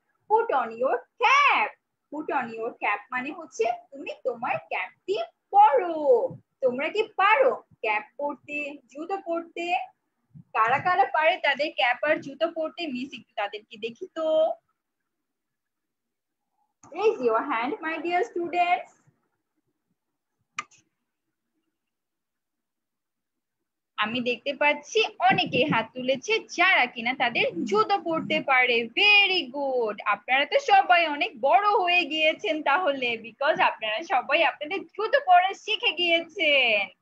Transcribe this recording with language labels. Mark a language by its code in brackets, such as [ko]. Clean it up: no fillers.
[en] put on your cap, put on your cap [bn] মানে হচ্ছে তুমি তোমার ক্যাপটি পরো। তোমরা কি পারো ক্যাপ পরতে, জুতো পরতে? কারা কারা পারে তাদের ক্যাপ আর জুতো পরতে, মিস একটু তাদেরকে দেখি তো। [en] Raise your hand, my dear students. [bn] আমি দেখতে পাচ্ছি অনেকে হাত তুলেছে যারা কিনা তাদের জুতো পড়তে পারে, [en] Very good. [bn] আপনারা তো সবাই অনেক বড় হয়ে গিয়েছেন তাহলে, বিকজ আপনারা সবাই আপনাদের জুতো পড়া শিখে গিয়েছেন।